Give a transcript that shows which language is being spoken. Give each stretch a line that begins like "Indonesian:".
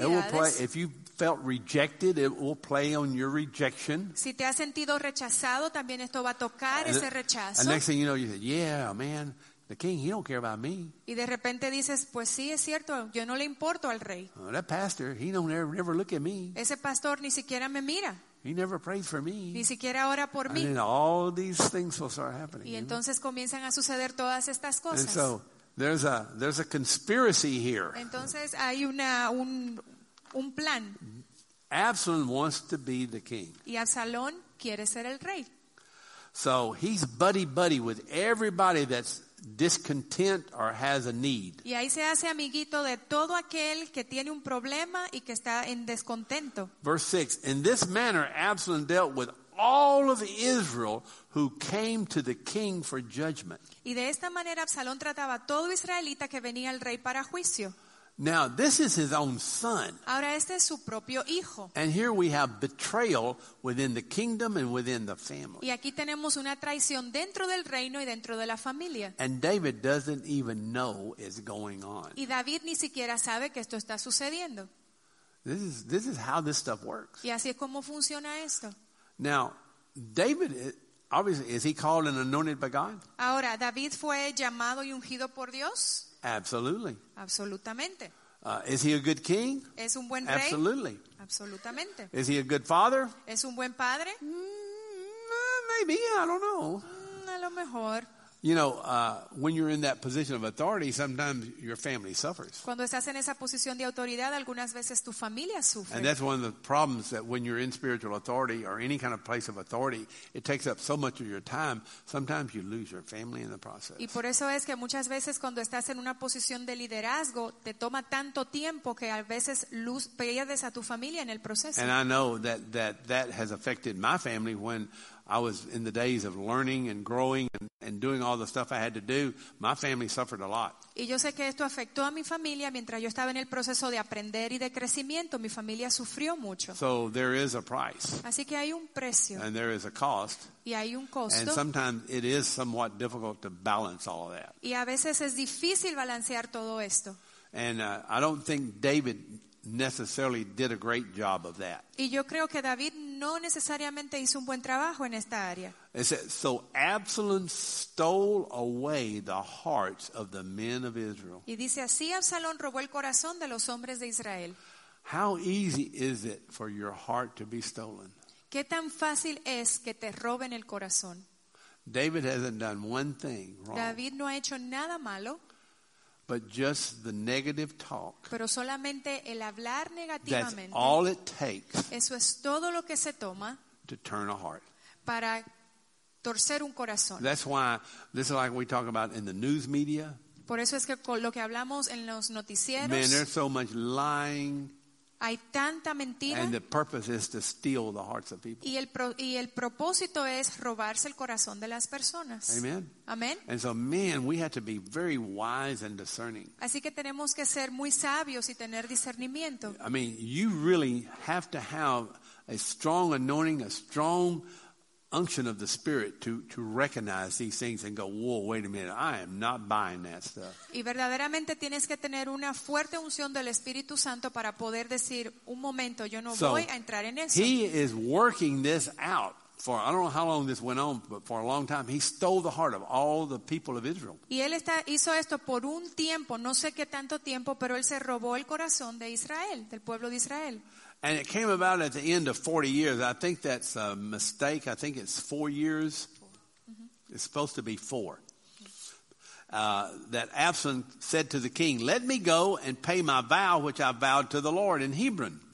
English: It will play, if you felt rejected, it will play on your rejection.
Spanish: Si te has sentido rechazado, también esto va a tocar ese rechazo.
English: And next thing you know, you say, yeah, man, the king, he don't care about me.
Spanish: Y de repente dices, pues sí, es cierto, yo no le importo al rey.
English: Well, that pastor, he don't ever look at me.
Spanish: Ese pastor ni siquiera me mira.
English: He never prays for me.
Spanish: Ni siquiera ora por mí.
English: And all these things will start happening.
Spanish: Y entonces comienzan a suceder todas estas cosas.
English: And so there's a conspiracy here.
Spanish: Entonces hay un plan.
English: Absalom wants to be the king.
Spanish: Y Absalón quiere ser el rey.
English: So he's buddy buddy with everybody that's discontent or has a need.
Spanish: Y ahí se hace amiguito de todo aquel que tiene un problema y que está en descontento.
English: Verse 6. In this manner Absalom dealt with all of Israel who came to the king for judgment.
Spanish: Y de esta manera Absalón trataba a todo israelita que venía al rey para juicio.
English: Now this is his own son.
Spanish: Ahora este es su propio hijo.
English: And here we have betrayal within the kingdom and within the family.
Spanish: Y aquí tenemos una traición dentro del reino y dentro de la familia.
English: And David doesn't even know it's going on.
Spanish: Y David ni siquiera sabe que esto está sucediendo.
English: This is how this stuff works.
Spanish: Y así es como funciona esto.
English: Now David obviously is he called and anointed by God?
Spanish: Ahora David fue llamado y ungido por Dios.
English: Absolutely.
Spanish: Absolutamente.
English: Is he a good king?
Spanish: ¿Es un buen rey?
English: Absolutely.
Spanish: Absolutamente.
English: Is he a good father?
Spanish: ¿Es un buen padre?
English: Maybe, I don't know.
Spanish: A lo mejor.
English: You know, when you're in that position of authority, sometimes your family suffers.
Spanish: Cuando estás en esa posición de autoridad, algunas veces tu familia sufre.
English: And that's one of the problems that when you're in spiritual authority or any kind of place of authority, it takes up so much of your time, sometimes you lose your family in the process.
Spanish: Y por eso es que muchas veces cuando estás en una posición de liderazgo, te toma tanto tiempo que a veces pierdes a tu familia en el proceso.
English: And I know that has affected my family when I was in the days of learning and growing and doing all the stuff I had to do. My family suffered a lot.
Spanish: Y yo sé que esto afectó a mi familia mientras yo estaba en el proceso de aprender y de crecimiento. Mi familia sufrió mucho.
English: So there is a price.
Spanish: Así que hay un precio.
English: And there is a cost.
Spanish: Y hay un costo.
English: And sometimes it is somewhat difficult to balance all of that.
Spanish: Y a veces es difícil balancear todo esto.
English: And I don't think David necessarily did a great job of that.
Spanish: Y yo creo que David no necesariamente hizo un buen trabajo en esta área.
English: It says, so Absalom stole away the hearts of the men of Israel.
Spanish: Y dice así, Absalón robó el corazón de los hombres de Israel.
English: How easy is it for your heart to be stolen?
Spanish: ¿Qué tan fácil es que te roben el corazón?
English: David hasn't done one thing wrong.
Spanish: David no ha hecho nada malo.
English: But just the negative talk.
Spanish: Pero solamente el hablar negativamente.
English: That's all it takes.
Spanish: Eso es todo lo que se toma.
English: to turn a heart.
Spanish: Para torcer un corazón.
English: That's why this is like we talk about in the news media.
Spanish: Por eso es que lo que hablamos en los noticieros.
English: Man, there's so much lying.
Spanish: Hay tanta mentira.
English: And the purpose is to steal the hearts of people.
Spanish: Y el propósito es robarse el corazón de las personas.
English: Amen.
Spanish: Amen.
English: And so, man, we have to be very wise and discerning.
Spanish: Así que tenemos que ser muy sabios y tener discernimiento.
English: I mean, you really have to have a strong anointing, a strong unction of the Spirit to recognize these things and go, whoa, wait a minute, I am not buying that stuff.
Spanish: Y verdaderamente tienes que tener una fuerte unción del Espíritu Santo para poder decir, un momento, yo no voy a entrar en eso.
English: He is working this out for, I don't know how long this went on, but for a long time, he stole the heart of all the people of Israel.
Spanish: Y él hizo esto por un tiempo, no sé qué tanto tiempo, pero él se robó el corazón de Israel, del pueblo de Israel.
English: And it came about at the end of 40 years. I think that's a mistake. I think it's 4 years. Mm-hmm. It's supposed to be four. That Absalom said to the king, let me go and pay my vow which I vowed to the Lord in Hebron.